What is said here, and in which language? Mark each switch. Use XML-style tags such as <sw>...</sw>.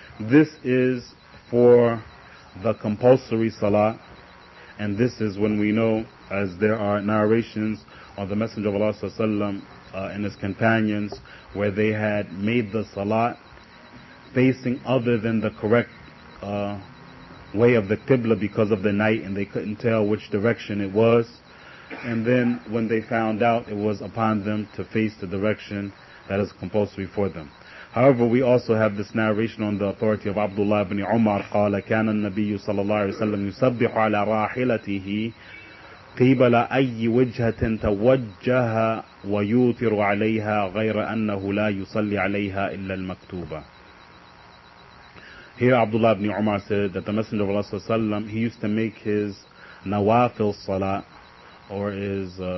<en>This is for the compulsory salat, and this is when we know, as there are narrations of the Messenger of Allah and his companions where they had made the salat facing other than the correct way of the Qibla because of the night, and they couldn't tell which direction it was. And then when they found out, it was upon them to face the direction that is compulsory for them. However, we also have this narration on the authority of Abdullah ibn Umar,</en> <ar>قال كان النبي صلى الله عليه وسلم يسبح على راحلته قبل أي وجهة توجه ويوتر عليها غير أنه لا يصلي عليها إلا المكتوبة.</ar> <en>Here Abdullah ibn Umar said that the Messenger of Allah sallallahu alayhi wa sallam, he used to make his nawafil salah, or his,</en>